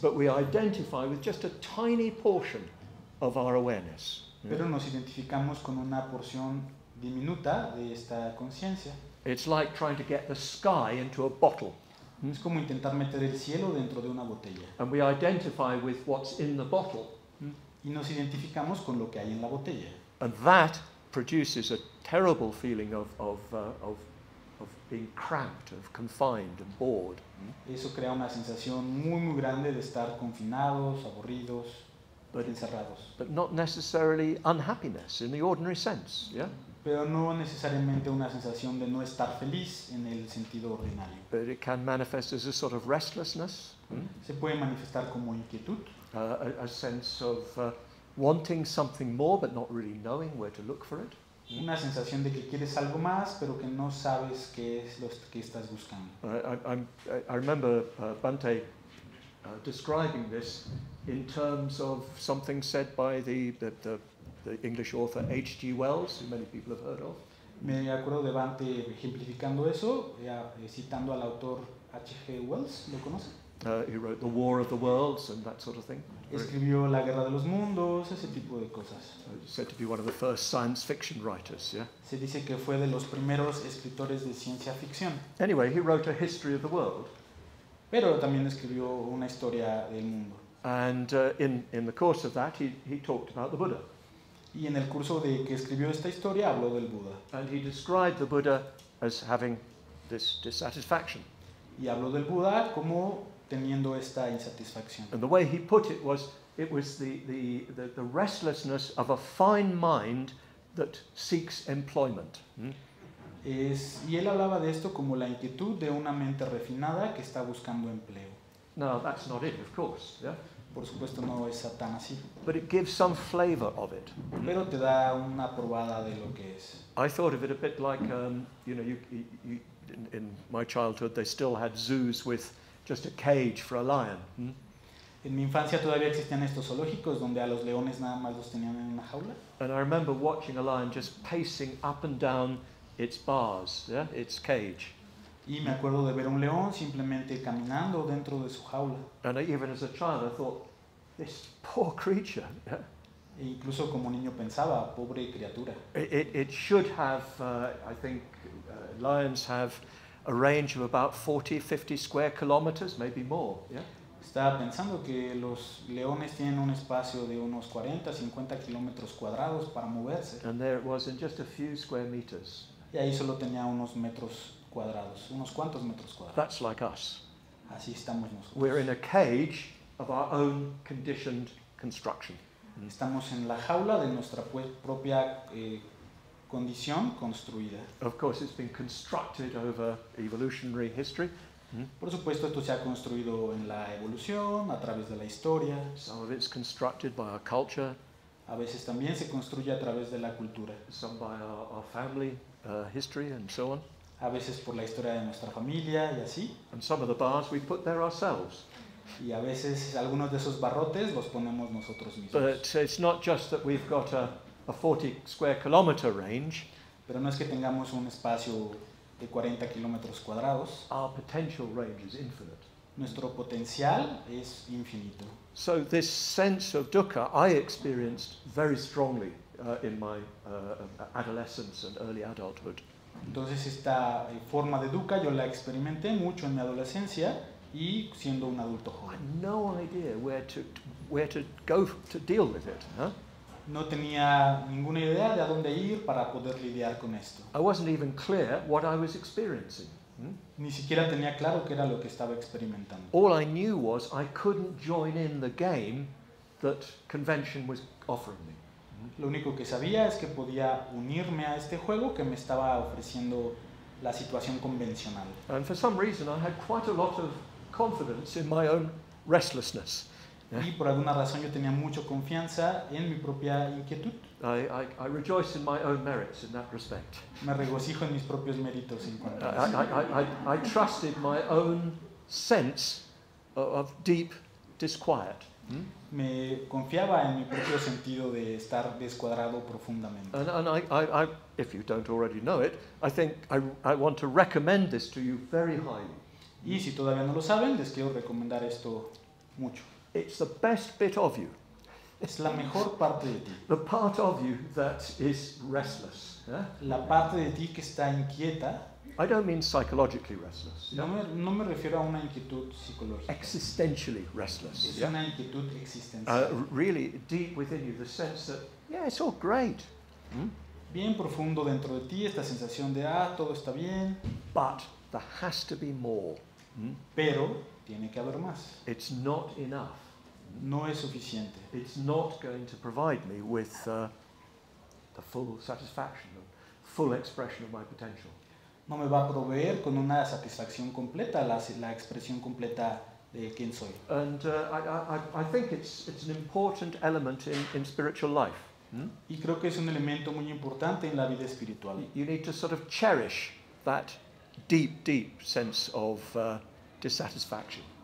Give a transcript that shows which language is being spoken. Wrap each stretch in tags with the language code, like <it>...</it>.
<en>But we identify with just a tiny portion of our awareness.</en> <es>Pero nos identificamos con una porción diminuta de esta conciencia.</es> <en>It's like trying to get the sky into a bottle.</en> <es>Es como intentar meter el cielo dentro de una botella.</es> <en>And we identify with what's in the bottle.</en> <es>Y nos identificamos con lo que hay en la botella.</es> <en>And that produces a terrible feeling of being cramped, of confined and bored.</en> <es>Eso crea una sensación muy muy grande de estar confinados, aburridos,</es> <en>but</en> <es>encerrados.</es> <en>But not necessarily unhappiness in the ordinary sense, yeah?</en> <es>Pero no necesariamente una sensación de no estar feliz en el sentido ordinario.</es> <en>But it can manifest as a sort of restlessness.</en> <es>Se puede manifestar como inquietud.</es> <en>A sense of wanting something more but not really knowing where to look for it.</en> <es>Una sensación de que quieres algo más pero que no sabes qué es lo que estás buscando.</es> <en>I remember Bhante describing this in terms of something said by the English author H.G. Wells, who many people have heard of.</en> <es>Me acuerdo de Bhante ejemplificando eso, citando al autor H.G. Wells, ¿lo conoce?</es> <en>He wrote The War of the Worlds and that sort of thing.</en> <es>Escribió La Guerra de los Mundos, ese tipo de cosas.</es> <en>Said to be one of the first science fiction writers, yeah?</en> <es>Se dice que fue de los primeros escritores de ciencia ficción.</es> <en>Anyway, he wrote a history of the world.</en> <es>Pero también escribió una historia del mundo.</es> <en>And in the course of that, he talked about the Buddha.</en> <es>Y en el curso de que escribió esta historia, habló del Buda.</es> <en>And he described the Buddha as having this dissatisfaction.</en> <es>Y habló del Buda como teniendo esta insatisfacción.</es> <en>And the way he put it was the restlessness of a fine mind that seeks employment.</en> <es>Y él hablaba de esto como la inquietud de una mente refinada que está buscando empleo.</es> <en>No, that's not it, of course. Yeah.</en> <es>Por supuesto no es tan así.</es> <en>But it gives some flavor of it.</en> <es>Pero te da una probada de lo que es.</es> <en>I thought of it a bit like in my childhood they still had zoos with just a cage for a lion.</en> <es>En mi infancia todavía existían estos zoológicos donde a los leones nada más los tenían en una jaula.</es> <en>And I remember watching a lion just pacing up and down its bars, yeah, its cage.</en> <es>Y me acuerdo de ver un león simplemente caminando dentro de su jaula.</es> <en>And even as a child, I thought, this poor creature. Yeah?</en> <es>E incluso como niño pensaba, pobre criatura.</es> <en>It should have, I think, lions have a range of about 40, 50 square kilometers, maybe more. Yeah.</en> <es>Estaba pensando que los leones tienen un espacio de unos 40, 50 kilómetros cuadrados para moverse.</es> <en>And there it was in just a few square meters.</en> <es>Y ahí solo tenía unos metros cuadrados, unos cuantos metros cuadrados.</es> <en>That's like us.</en> <es>Así estamos nosotros.</es> <en>We're in a cage of our own conditioned construction.</en> <es>Estamos en la jaula de nuestra propia condición construida.</es> <en>Of course, it's been constructed over evolutionary history.</en> <es>Por supuesto, esto se ha construido en la evolución, a través de la historia.</es> <en>Some of it's constructed by our culture.</en> <es>A veces también se construye a través de la cultura.</es> <en>Some by our family, history and so on.</en> <es>A veces por la historia de nuestra familia y así.</es> <en>And some of the bars we put there ourselves.</en> <es>Y a veces algunos de esos barrotes los ponemos nosotros mismos.</es> <en>But it's not just that we've got a 40 square kilometer range.</en> <es>Pero no es que tengamos un espacio de 40 kilómetros cuadrados.</es> <en>Our potential range is infinite.</en> <es>Nuestro potencial es infinito.</es> <en>So this sense of dukkha I experienced very strongly in my adolescence and early adulthood.</en> <es>Entonces esta forma de dukkha yo la experimenté mucho en mi adolescencia y siendo un adulto joven.</es> <en>I had no idea where to go to deal with it, huh?</en> <es>No tenía ninguna idea de a dónde ir para poder lidiar con esto.</es> <en>I wasn't even clear what I was experiencing.</en> <es>Ni siquiera tenía claro qué era lo que estaba experimentando.</es> <en>All I knew was I couldn't join in the game that convention was offering me.</en> <es>Lo único que sabía es que podía unirme a este juego que me estaba ofreciendo la situación convencional.</es> <en>And for some reason I had quite a lot of confidence in my own restlessness.</en> <es>Y por alguna razón yo tenía mucha confianza en mi propia inquietud.</es> <en>I rejoice in my own merits in that respect.</en> <es>Me regocijo en mis propios méritos en cuanto a eso.</es> <en>I trusted my own sense of deep disquiet.</en> <es>Me confiaba en mi propio sentido de estar descuadrado profundamente.</es> <en>And I, if you don't already know it, I think I want to recommend this to you very highly.</en> <es>Y si todavía no lo saben, les quiero recomendar esto mucho.</es> <en>It's the best bit of you.</en> <es>Es la mejor parte de ti.</es> <en>The part of you that is restless. Yeah?</en> <es>La parte de ti que está inquieta.</es> <en>I don't mean psychologically restless.</en> <es>Yeah? No me refiero a una inquietud psicológica.</es> <en>Existentially restless.</en> <es>Es yeah? una inquietud existencial.</es> <en>Really deep within you, the sense that, yeah, it's all great.</en> <es>Bien profundo dentro de ti, esta sensación de, ah, todo está bien.</es> <en>But there has to be more.</en> <es>Pero tiene que haber más.</es> <en>It's not enough.</en> <es>No es suficiente.</es> <en>It's not going to provide me with the full satisfaction, the full expression of my potential.</en> <es>No me va a proveer con una satisfacción completa, la expresión completa de quién soy.</es> <en>And I think it's an important element in spiritual life.</en> <es>Y creo que es un elemento muy importante en la vida espiritual.</es> <en>You need to sort of cherish that deep sense of dissatisfaction.</en>